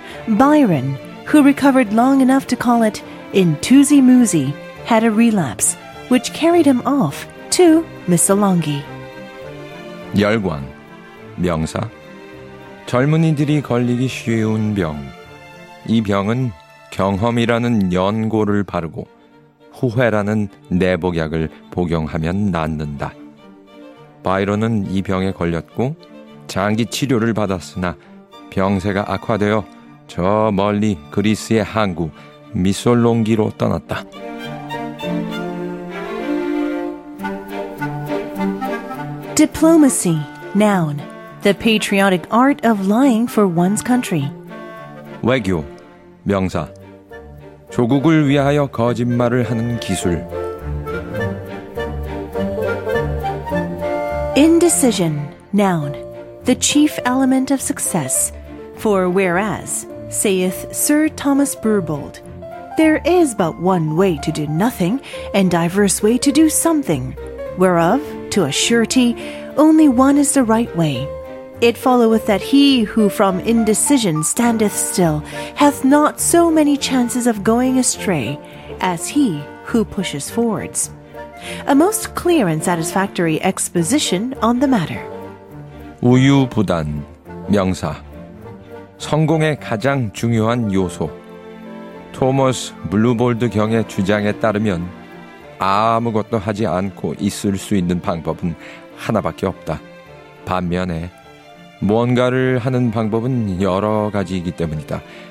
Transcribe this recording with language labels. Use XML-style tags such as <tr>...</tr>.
<en>Byron, who recovered long enough to call it in Tuzi Muzi, had a relapse, which carried him off to Missolonghi.</en> <ko>열광, 명사, 젊은이들이 걸리기 쉬운 병. 이 병은 경험이라는 연고를 바르고 후회라는 내복약을 복용하면 낫는다. 바이런은 이 병에 걸렸고 장기 치료를 받았으나 병세가 악화되어 저 멀리 그리스의 항구 미솔롱기로 떠났다.</ko> <en>디플로마시, noun, the patriotic art of lying for one's country.</en> <ko>외교, 명사, 조국을 위하여 거짓말을 하는 기술.</ko> <en>Indecision, noun, the chief element of success. For whereas, saith Sir Thomas Burbold, there is but one way to do nothing, and diverse way to do something, whereof, to a surety, only one is the right way. It followeth that he who from indecision standeth still hath not so many chances of going astray as he who pushes forwards. A most clear and satisfactory exposition on the matter.</en> <ko>우유부단, 명사, 성공의 가장 중요한 요소. 토머스 블루볼드 경의 주장에 따르면 아무것도 하지 않고 있을 수 있는 방법은 하나밖에 없다. 반면에 무언가를 하는 방법은 여러 가지이기 때문이다.</ko>